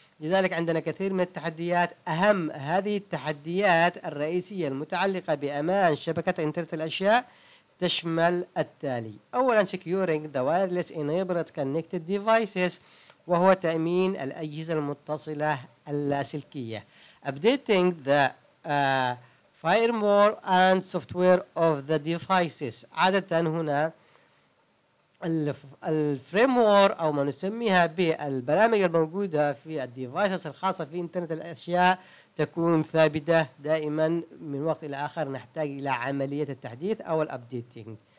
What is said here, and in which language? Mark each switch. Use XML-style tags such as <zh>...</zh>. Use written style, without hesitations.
<ar>لذلك عندنا كثير من التحديات. أهم هذه التحديات الرئيسية المتعلقة بأمان شبكة إنترنت الأشياء تشمل التالي: أولاً</ar> <en>Securing the Wireless Enabled Connected Devices،</en> <ar>وهو تأمين الأجهزة المتصلة اللاسلكية.</ar> <en>Updating the firmware and software of the devices.</en> <ar>عادةً هنا الفريمور أو ما نسميها بالبرامج الموجودة في الديفايسز الخاصة في إنترنت الأشياء تكون ثابتة دائما، من وقت إلى آخر نحتاج إلى عملية التحديث أو الأبديتينج.</ar>